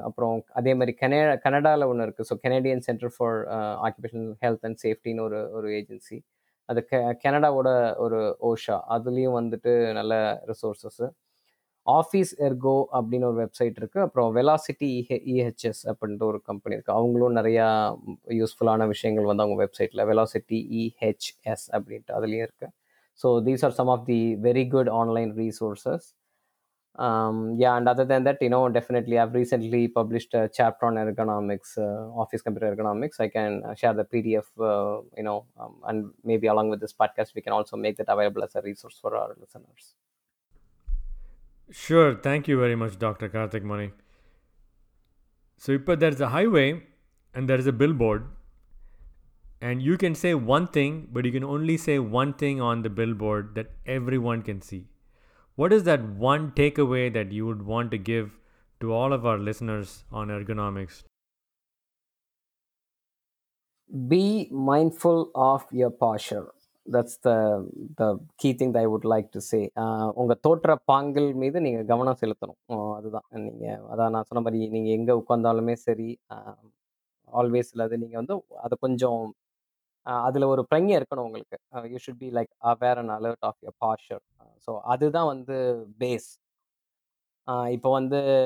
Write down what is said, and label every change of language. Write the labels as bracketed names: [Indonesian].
[Tamil] அப்புறம் அதே மாதிரி கனடாவில் ஒன்று இருக்குது, so Canadian centre for ஆக்கியபேஷனல் health and சேஃப்டின்னு ஒரு ஏஜென்சி, அது கெனடாவோட ஒரு ஓஷா, அதுலேயும் வந்துட்டு நல்ல ரிசோர்ஸஸ். ஆஃபீஸ் எர்கோ அப்படின்னு ஒரு வெப்சைட் இருக்குது. அப்புறம் வெலாசிட்டி இஹெச்எஸ் அப்படின்ற ஒரு கம்பெனி இருக்குது, அவங்களும் நிறையா யூஸ்ஃபுல்லான விஷயங்கள் வந்து அவங்க வெப்சைட்டில் வெலாசிட்டி இஹெச்எஸ் அப்படின்ட்டு அதுலேயும் இருக்குது. [English] So these are some of the very good online resources. Yeah, and other than that, you know, definitely I've recently published a chapter on ergonomics, office computer ergonomics. I can share the PDF, you know, and maybe along with this podcast, we can also make that available as a resource for our listeners. Sure. Thank you very much, Dr. Karthik Mani. So there's a highway and there's a billboard. And you can say one thing, but you can only say one thing on the billboard that everyone can see. What is that one takeaway that you would want to give to all of our listeners on ergonomics? Be mindful of your posture. That's the key thing that I would like to say. [Tamil] உங்க தோற்ற பாங்கல் மீது நீங்க கவனம் செலுத்தணும். அதுதான் நீங்க அதான் நான் சொன்ன மாதிரி நீங்க எங்க உட்கார்ந்தாலுமே சரி, ஆல்வேஸ் இல்லாத நீங்க வந்து அதை கொஞ்சம் அதில் ஒரு பிரங்கம் இருக்கணும் உங்களுக்கு. [English] You should be like aware and alert of your pastor. [Tamil] So அதுதான் வந்து பேஸ். இப்போ வந்து